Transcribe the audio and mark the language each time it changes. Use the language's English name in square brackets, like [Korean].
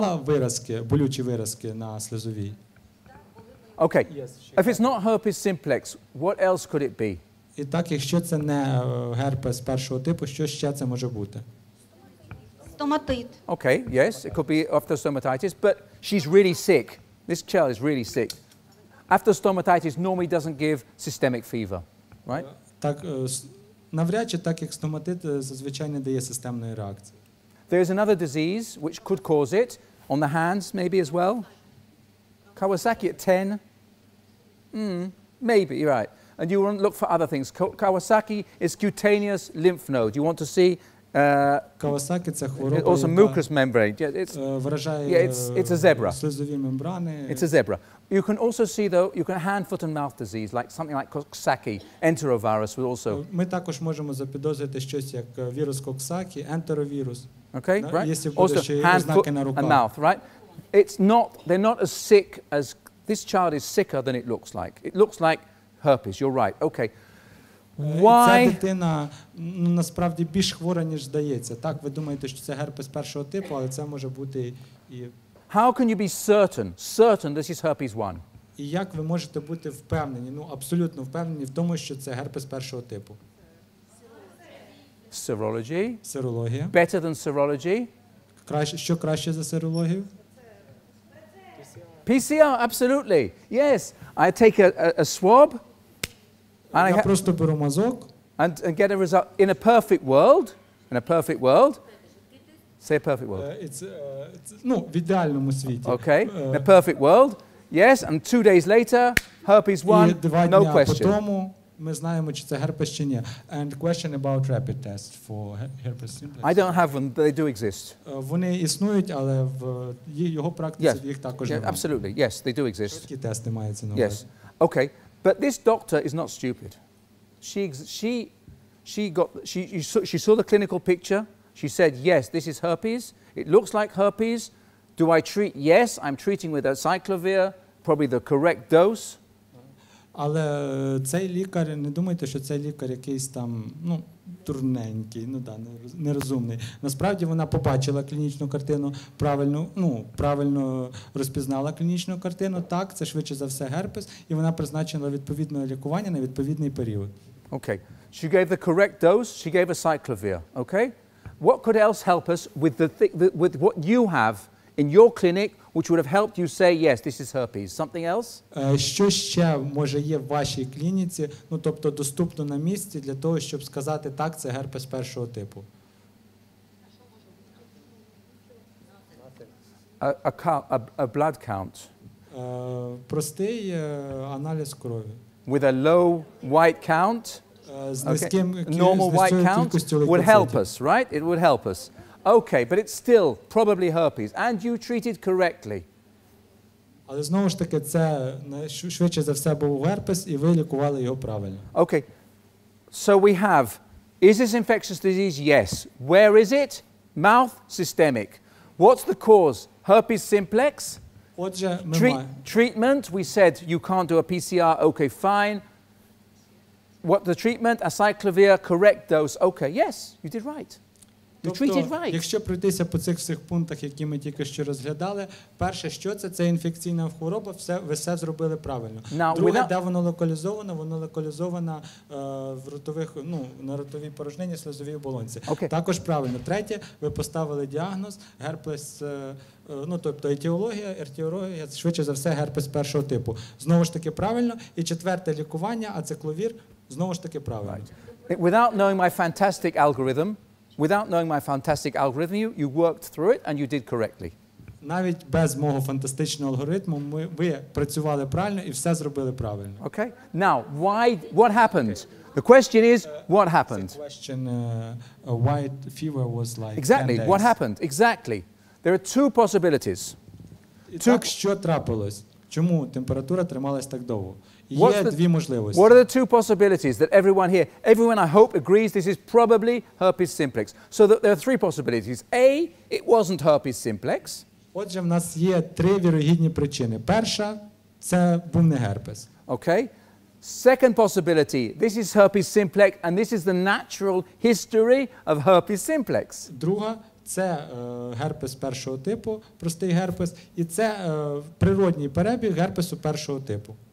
[Ukrainian] Вона мала виразки, болючі виразки на слизовій. [English] Okay. Yes, if it's not herpes simplex, what else could it be? [Ukrainian] І так, якщо це не герпес першого типу, що ще це може бути? Стоматит. [English] Okay, yes, it could be after stomatitis, but she's really sick. This child is really sick. After stomatitis normally doesn't give systemic fever, right? Так, навряд чи так, як стоматит зазвичай не дає системної реакції. There is another disease which could cause it, on the hands maybe as well. Kawasaki at 10. Maybe, you're right. And you want to look for other things. Kawasaki is cutaneous lymph node. You want to see [Ukrainian] Kawasaki це хвороба. [English] It's also mucous membrane. Yeah, it's [Ukrainian] вражає. [English] Yeah, it's a zebra. [Ukrainian] Слизові мембрани. [English] It's a zebra. You can also see though, you can hand, foot and mouth disease like something like Coxsackie, enterovirus would also. [Ukrainian] Ми також можемо запідозрити щось як вірус Coxsackie, enterovirus. [English] Okay, [Russian] да? [English] Right? [Ukrainian] Якщо буде ще ознаки на руках. [English] Also hand, foot and mouth, right? It's not they're not as sick as this child is sicker than it looks like. It looks like herpes. You're right. Okay. Why? [Ukrainian] Ця дитина насправді більш хвора, ніж здається. Так, ви думаєте, що це герпес першого типу, але це може бути і... [English] How can you be certain this is herpes 1? [Ukrainian] І як ви можете бути впевнені, абсолютно впевнені в тому, що це герпес першого типу? [English] Serology. [Ukrainian] Серологія. [English] Better than serology. [Ukrainian] Що краще за серологію? [English] PCR, absolutely. Yes, I take a swab. [Ukrainian] Я просто беру мазок. [English] And get a result in a perfect world. In a perfect world. Say a perfect world. [Ukrainian] В ідеальному світі. [English] Okay. In a perfect world. Yes, and 2 days later, herpes 1, no question. [Ukrainian] І 2 дні потім ми знаємо, чи це герпес чи ні. [English] And question about rapid test for herpes simplex. I don't have one, but they do exist. [Ukrainian] Вони існують, але в його практиці [English] yes. [Ukrainian] їх також немає. [English] Absolutely. Yes, they do exist. [Ukrainian] Швидкі тести мають ціну. [English] Yes. Okay. But this doctor is not stupid. She saw the clinical picture. She said, "Yes, this is herpes. It looks like herpes. Do I treat? Yes, I'm treating with acyclovir, probably the correct dose." [Ukrainian] Але цей лікар, не думайте, що цей лікар якийсь там, дурненький, нерозумний. Насправді вона побачила клінічну картину, правильно розпізнала клінічну картину. Так, це швидше за все герпес, і вона призначила відповідне лікування на відповідний період. [English] Okay. She gave the correct dose. She gave acyclovir. Okay? What could else help us with with what you have in your clinic? Which would have helped you say yes, this is herpes. Something else? [Ukrainian] Що ще може є в вашій клініці, тобто доступно на місці для того, щоб сказати так, це герпес першого типу. [English] A blood count. [Ukrainian] Простий аналіз крові. [English] With a low white count? Normal white count would help us, right? It would help us. Okay, but it's still probably herpes, and you treated correctly. [Ukrainian] Але знову ж таки, це швидше за все був герпес, і ви лікували його правильно. [English] Okay, so we have, is this infectious disease? Yes. Where is it? Mouth, systemic. What's the cause? Herpes simplex? [Ukrainian] Отже, [English] treatment, we said you can't do a PCR, okay, fine. What the treatment, acyclovir, correct dose, okay, yes, you did right. You treated right. [Ukrainian] Якщо пройтися по цих всіх пунктах, які ми тільки що розглядали, перше, що це інфекційна хвороба, все, ви все зробили правильно. [English] Now, [Ukrainian] друге, [English] without... [Ukrainian] де воно локалізовано в ротових, ну, на ротовій порожнині, сльозовій оболонці. [English] Okay. [Ukrainian] Також правильно. Третє, ви поставили діагноз, герпес, ну, тобто етіологія, ертіорогія, швидше за все герпес першого типу. Знову ж таки, правильно. І четверте, лікування, ацикловір, знову ж таки, правильно. [English] Right. Without knowing my fantastic algorithm, without knowing my fantastic algorithm, you worked through it and you did correctly. [Ukrainian] Навіть без мого фантастичного алгоритму ви працювали правильно і все зробили правильно. [English] Okay. Now, why? What happened? Okay. The question is, what happened? The question, why fever was like. Exactly. 10 days. What happened? Exactly. There are two possibilities. [Ukrainian] Так, що трапилось? Чому температура трималась так довго? [English] What are the two possibilities that everyone here, everyone I hope agrees this is probably herpes simplex. So that there are three possibilities. A, it wasn't herpes simplex. [Ukrainian] Отже, в нас є три вірогідні причини. Перша, це був не герпес. [English] Okay. Second possibility, this is herpes simplex and this is the natural history of herpes simplex. [Ukrainian] Друга, це герпес першого типу, простий герпес, і це природній перебіг герпесу першого типу.